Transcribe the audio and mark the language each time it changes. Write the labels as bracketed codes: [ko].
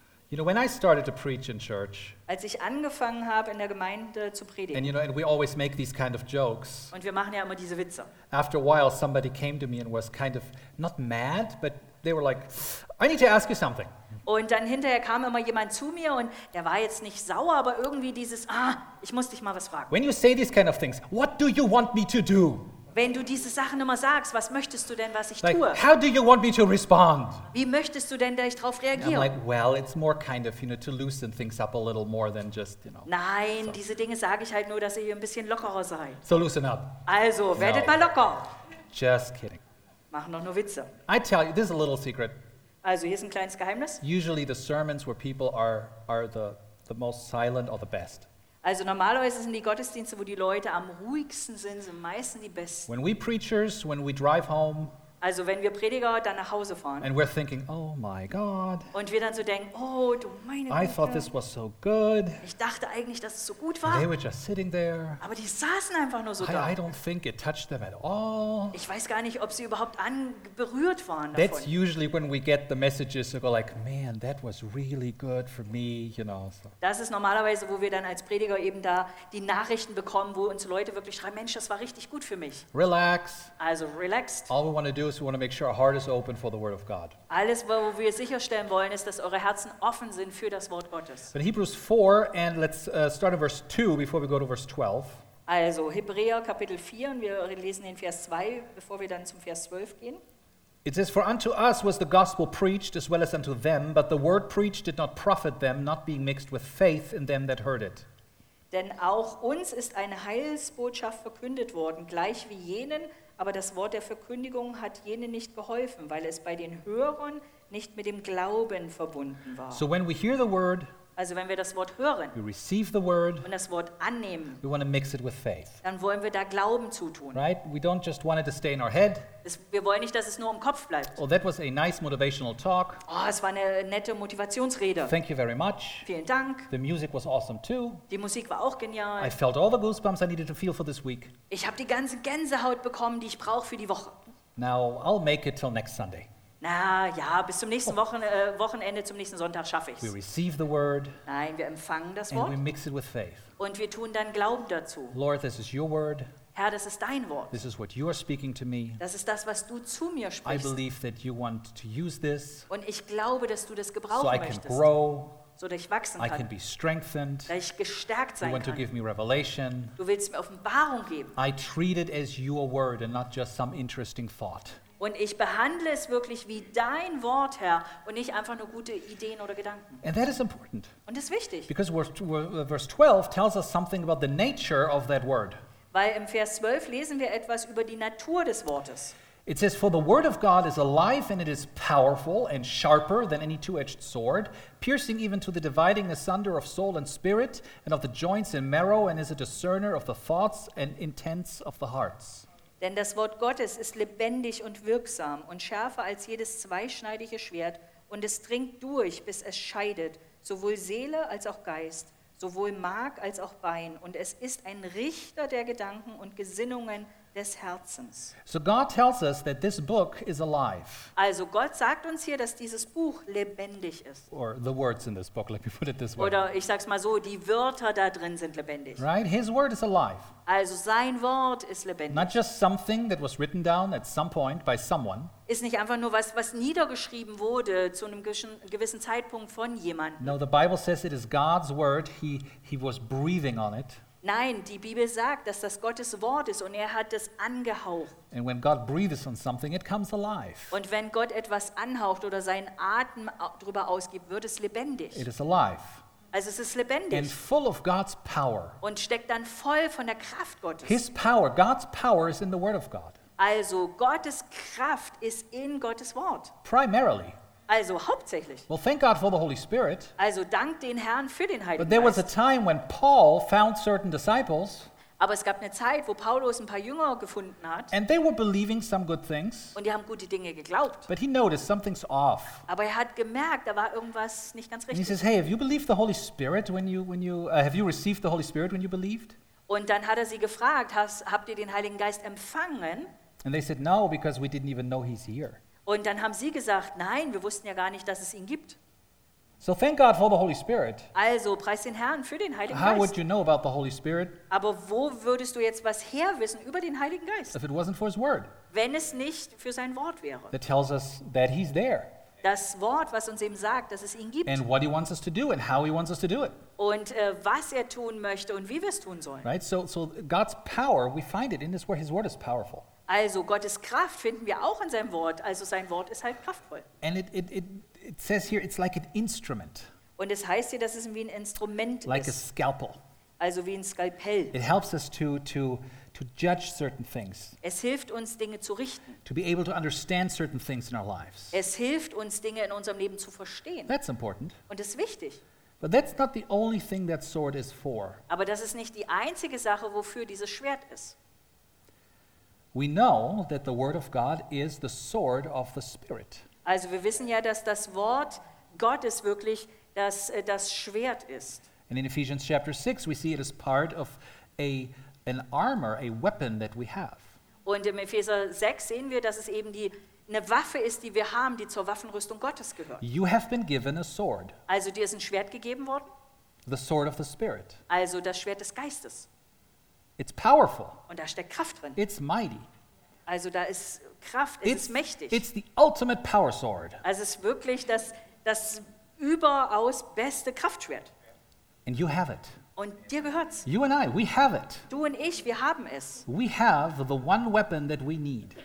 [en] You know, when I started to preach in church, [de] als ich angefangen habe, in der Gemeinde zu predigen, [en] and you know, and we always make these kind of jokes, [de] und wir machen ja immer diese Witze. [en] After a while, somebody came to me and was kind of, not mad, but they were like, I need to ask you something. [de] Und dann hinterher kam immer jemand zu mir und der war jetzt nicht sauer, aber irgendwie dieses, ah, ich muss dich mal was fragen. [en] When you say these kind of things, what do you want me to do? [de] Wenn du diese Sachen immer sagst, was möchtest du denn, was ich [en] like, [de] tue? [en] How do you want me to respond? [de] Wie möchtest du denn, dass ich darauf reagiere? [en] I'm like, well, it's more kind of, you know, to loosen things up a little more than just, you know. [de] Nein, so. Diese Dinge sage ich halt nur, dass ihr ein bisschen lockerer seid. [en] So loosen up. [de] Also, werdet no. mal locker. [en] Just kidding. [de] Mach noch nur Witze. [en] I tell you, this is a little secret. [de] Also, hier ist ein kleines Geheimnis. [en] Usually the sermons where people are the most silent or the best. [de] Also normalerweise sind die Gottesdienste, wo die Leute am ruhigsten sind, sind meistens die besten. [en] When we preachers, when we drive home. [de] Also wenn wir Prediger dann nach Hause fahren. [en] And we're thinking, oh my God. [de] Und wir dann so denken, oh du meine Güte. [en] I thought this was so good. [de] Ich dachte eigentlich, dass es so gut war. [en] They were just sitting there. [de] Aber die saßen einfach nur so da. [en] I don't think it touched them at all. [de] Ich weiß gar nicht, ob sie überhaupt berührt waren davon. [en] That's usually when we get the messages to go like, man, that was really good for me, you know. So. [de] Das ist normalerweise, wo wir dann als Prediger eben da die Nachrichten bekommen, wo uns Leute wirklich schreiben, Mensch, das war richtig gut für mich. [en] Relax. [de] Also relaxed. [en] All we want to do we want to make sure our heart is open for the word of God. [de] Alles, wo wir sicherstellen wollen, ist, dass eure Herzen offen sind für das Wort Gottes. [en] In Hebrews 4, and let's start in verse 2 before we go to verse 12. [de] Also Hebräer Kapitel 4, und wir lesen den Vers 2, bevor wir dann zum Vers 12 gehen. [en] It says, for unto us was the gospel preached, as well as unto them, but the word preached did not profit them, not being mixed with faith in them that heard it. [de] Denn auch uns ist eine Heilsbotschaft verkündet worden, gleich wie jenen, aber das Wort der Verkündigung hat jenen nicht geholfen, weil es bei den Hörern nicht mit dem Glauben verbunden war. [en] So when we hear the word, [de] also wenn wir das Wort hören, [en] we receive the word, [de] und das Wort annehmen, [en] we want to mix it with faith. [de] Dann wollen wir da Glauben zutun. [en] Right? We don't just want it to stay in our head. [de] Wir wollen nicht, dass es nur im Kopf bleibt. [en] Oh, that was a nice motivational talk. [de] Oh, es war eine nette Motivationsrede. [en] Thank you very much. [de] Vielen Dank. [en] The music was awesome too. [de] Die Musik war auch genial. [en] I felt all the goosebumps I needed to feel for this week. [de] Ich habe die ganze Gänsehaut bekommen, die ich brauche für die Woche. [en] Now, I'll make it till next Sunday. [de] Na ja, bis zum nächsten Wochenende, zum nächsten Sonntag schaffe ich es. [en] We receive the word. [de] Nein, wir empfangen das [en] and [de] Wort. [en] We mix it with faith. [de] Und wir tun dann Glauben dazu. [en] Lord, this is your word. [de] Herr, das ist dein Wort. [en] This is what you are speaking to me. [de] Das ist das, was du zu mir sprichst. [en] I believe that you want to use this. [de] Und ich glaube, dass du das gebrauchen [en] so [de] möchtest. [en] I can grow. [de] So dass ich wachsen kann. [en] I can be strengthened. [de] Dass ich gestärkt sein [en] you want [de] kann. [en] To give me revelation. [de] Du willst mir Offenbarung geben. [en] I treat it as your word and not just some interesting thought. [de] Und ich behandle es wirklich wie dein Wort, Herr, und nicht einfach nur gute Ideen oder Gedanken. [en] And that is important. [de] Und das ist wichtig. [en] Because verse 12 tells us something about the nature of that word. [de] Weil im Vers 12 lesen wir etwas über die Natur des Wortes. [en] It says, for the word of God is alive and it is powerful and sharper than any two-edged sword, piercing even to the dividing asunder of soul and spirit and of the joints and marrow, and is a discerner of the thoughts and intents of the hearts. [de] Denn das Wort Gottes ist lebendig und wirksam und schärfer als jedes zweischneidige Schwert, und es dringt durch, bis es scheidet, sowohl Seele als auch Geist, sowohl Mark als auch Bein, und es ist ein Richter der Gedanken und Gesinnungen des Herzens. [en] So God tells us that this book is alive. [de] Also Gott sagt uns hier, dass dieses Buch lebendig ist. [en] Or the words in this book, let me put it this way. [de] Oder ich sag's mal so, die Wörter da drin sind lebendig. [en] Right? His word is alive. [de] Also sein Wort ist lebendig. [en] Not just something that was written down at some point by someone. [de] Ist nicht einfach nur was niedergeschrieben wurde zu einem gewissen Zeitpunkt von jemandem. [en] No, the Bible says it is God's word. He was breathing on it. [de] Nein, die Bibel sagt, dass das Gottes Wort ist und er hat es angehaucht. [en] And when God breathes on something, it comes alive. [de] Und wenn Gott etwas anhaucht oder seinen Atem drüber ausgibt, wird es lebendig. [en] It is alive. [de] Also es ist lebendig. [en] And full of God's power. [de] Und steckt dann voll von der Kraft Gottes. [en] His power, God's power is in the word of God. [de] Also Gottes Kraft ist in Gottes Wort. [en] Primarily. [de] Also hauptsächlich. [en] Well, thank God for the Holy Spirit. [de] Also dank den Herrn für den Heiligen Geist. [en] But there was a time when Paul found certain disciples. [de] Aber es gab eine Zeit, wo Paulus ein paar Jünger gefunden hat. [en] And they were believing some good things. [de] Und die haben gute Dinge geglaubt. [en] But he noticed something's off. [de] Aber er hat gemerkt, da war irgendwas nicht ganz richtig. [en] And he says, "Hey, have you believed the Holy Spirit have you received the Holy Spirit when you believed?" [de] Und dann hat er sie gefragt, habt ihr den Heiligen Geist empfangen? [en] And they said, "No, because we didn't even know he's here." [de] Und dann haben sie gesagt, nein, wir wussten ja gar nicht, dass es ihn gibt. [en] So thank God for the Holy Spirit. [de] Also preis den Herrn für den Heiligen [en] How [de] Geist. [en] Would you know about the Holy Spirit? [de] Aber wo würdest du jetzt was her wissen über den Heiligen Geist? [en] If it wasn't for his word. [de] Wenn es nicht für sein Wort wäre. [en] That tells us that he's there. [de] Das Wort, was uns eben sagt, dass es ihn gibt. [en] And what he wants us to do and how he wants us to do it. [de] Und was er tun möchte und wie wir es tun sollen. [en] Right? So God's power, we find it in this word. His word is powerful. [de] Also Gottes Kraft finden wir auch in seinem Wort. Also sein Wort ist halt kraftvoll. [en] And it says here, it's like an instrument. [de] Und es heißt hier, dass es wie ein Instrument [en] like [de] ist. [en] Like a scalpel. [de] Also wie ein Skalpell. [en] It helps us to judge certain things. [de] Es hilft uns, Dinge zu richten. [en] To be able to understand certain things in our lives. [de] Es hilft uns, Dinge in unserem Leben zu verstehen. [en] That's important. [de] Und das ist wichtig. [en] But that's not the only thing that sword is for. [de] Aber das ist nicht die einzige Sache, wofür dieses Schwert ist. [en] We know that the word of God is the sword of the spirit. [de] Also wir wissen ja, dass das Wort Gottes wirklich das Schwert ist. [en] And in Ephesians chapter 6 we see it as part of an armor, a weapon that we have. [de] Und in Epheser 6 sehen wir, dass es eben eine Waffe ist, die wir haben, die zur Waffenrüstung Gottes gehört. [en] You have been given a sword. [de] Also dir ist ein Schwert gegeben worden. [en] The sword of the spirit. [de] Also das Schwert des Geistes. [en] It's powerful. [de] Und da steckt Kraft drin. [en] It's mighty. [de] Also da ist Kraft, ist mächtig. [en] It's the ultimate power sword. [de] Also es ist wirklich das überaus beste Kraftschwert. [en] And you have it. [de] Und dir gehört's. [en] You and I, we have it. [de] Du und ich, wir haben es. [en] We have the one weapon that we need.